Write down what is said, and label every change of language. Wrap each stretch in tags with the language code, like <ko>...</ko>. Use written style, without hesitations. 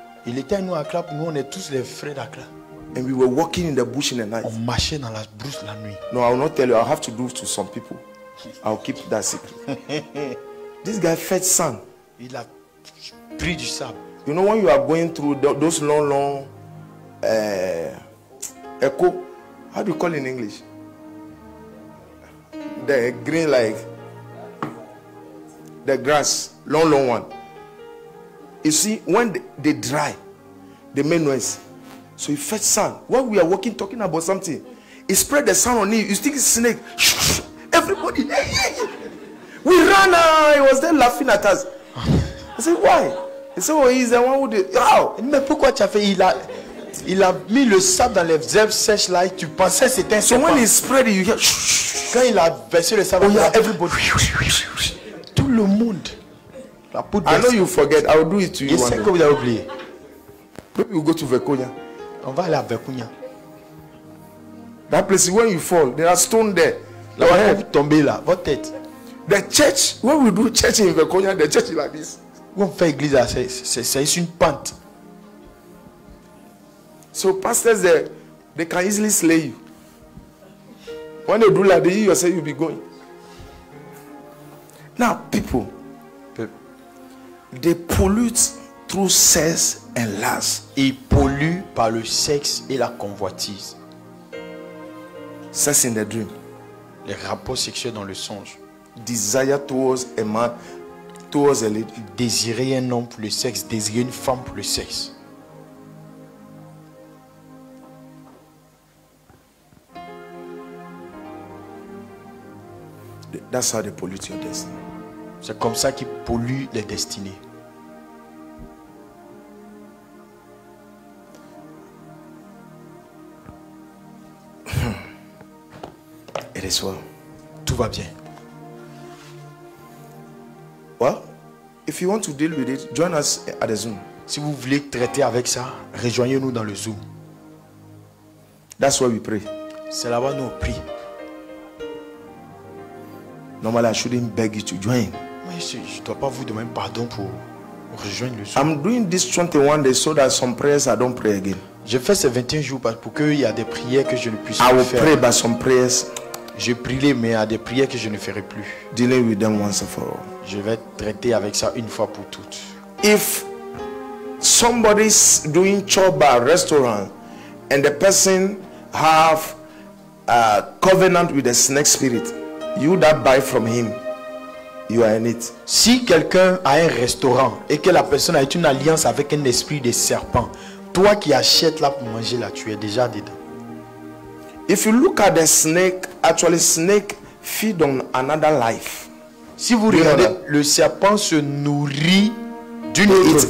<fr>Il était nous Accra, nous on est tous les frères d'Accra.</fr> <en>And we were walking in the bush in the night.</en> <fr>On marchait dans la brousse la nuit.</fr> <en>No, I will not tell you. I'll have to do it to some people. I'll keep that secret. This guy fed sand.</en> <fr>Il a pris du sable.</fr> <en>You know when you are going through those long echo, how do you call it in English? The green like the grass, long one. You see, when they dry, they make noise. So he fed sand. While we are walking, talking about something, he spread the sand on him. You think it's a snake? Everybody, we ran. He was there laughing at us. I said, why? He said, well, he's the one who did. How?</en> <fr>Mais pourquoi tu as fait? Il a mis le sable dans les herbes sèches là. Tu pensais c'était un</fr> <en>serpent. So when he spread it, you hear.</en> <fr>Quand il a versé le sable,</fr> <en>oh, yeah, everybody.</en> <fr>Tout le monde.</fr> <en>La I know you forget. I will do it to you.</en> <fr>Il sait que vous avez oublié.</fr> <en>You go to Vekunya.</en> <fr>On va aller à Vekunya.</fr> <en>That place where you fall, there are stone there.</en> <fr>Là où vous tombez là, votre tête.</fr> <en>The church, where we do church in Vekunya, the church is like this.</en> <fr>On fait église, c'est une pente.</fr> <en>So pastors, they can easily slay you. When they do like this, you say you'll be going. Now people, they pollute through sex and lust.</en> <fr>Ils polluent par le sexe et la convoitise.</fr> <en>Sex in the dream.</en> <fr>Les rapports sexuels dans le songe.</fr> <en>Desire towards a man, towards a lady.</en> <fr>Désirer un homme pour le sexe, désirer une femme pour le sexe.</fr> <en>That's how they pollute your destiny.</en> <fr>C'est comme ça qu'ils polluent les destinées.</fr> <en>It is well.</en> <fr>Tout va bien.</fr> <en>Well, if you want to deal with it, join us at the Zoom.</en> <fr>Si vous voulez traiter avec ça, rejoignez-nous dans le Zoom.</fr> <en>That's why we pray.</en> <fr>C'est là-bas nous on prie.</fr> <en>Normally, I shouldn't beg you to join.</en> <fr>Mais je dois pas vous demander pardon pour rejoindre le Zoom.</fr> <en>I'm doing this 21 days so that some prayers I don't pray again.</en> <fr>Je fais ces 21 jours pour qu'il y ait des prières que je ne puisse pas faire.</fr> <en>I will pray by some prayers.</en> <fr>Je prierai, mais à des prières que je ne ferai plus.</fr> <en>Dealing with them once and for all.</en> <fr>Je vais traiter avec ça une fois pour toutes.</fr> <en>If somebody's doing chore by a restaurant and the person have a covenant with a snake spirit, you that buy from him, you are in it.</en> <fr>Si quelqu'un a un restaurant et que la personne a une alliance avec un esprit de serpent, toi qui achètes là pour manger là, tu es déjà dedans.</fr> <en>If you look at the snake, actually snake feed on another life.</en> <fr>Si vous regardez, le serpent se nourrit d'une autre</fr>